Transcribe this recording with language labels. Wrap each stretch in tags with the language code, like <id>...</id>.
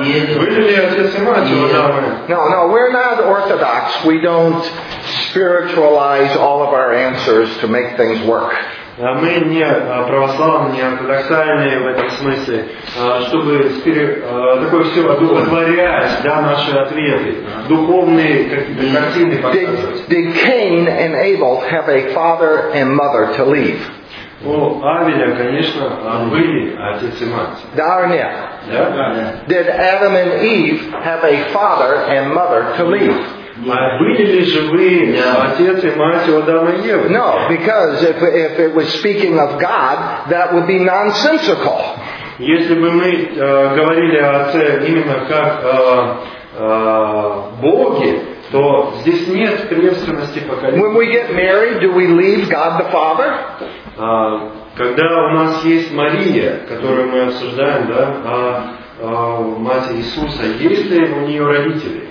<ru>Были ли отец и мать у Адама?</ru> <en>No, we're not orthodox. We don't spiritualize all of our answers to make things work.</en> <ru>Мы не православные, не ортодоксальные в этом смысле, чтобы такое все одухотворять, да, наши ответы, духовные картины показывать.</ru> <en>Did Cain and Abel have a father and mother to leave?</en> <ru>У Авеля, конечно, были отец и мать. Да или нет? Да.</ru> <en>Did Adam and Eve have a father and mother to leave?</en> <ru>Были ли живые отец и мать у Адама и Евы?</ru> <en>No, because if it was speaking of God, that would be nonsensical.</en> <ru>Если бы мы говорили о отце именно как Боге, то здесь нет преемственности поколения.</ru> <en>When we get married, do we leave God the Father?</en> <ru>Когда у нас есть Мария, которую мы обсуждаем, да, мать Иисуса, есть ли у нее родители?</ru>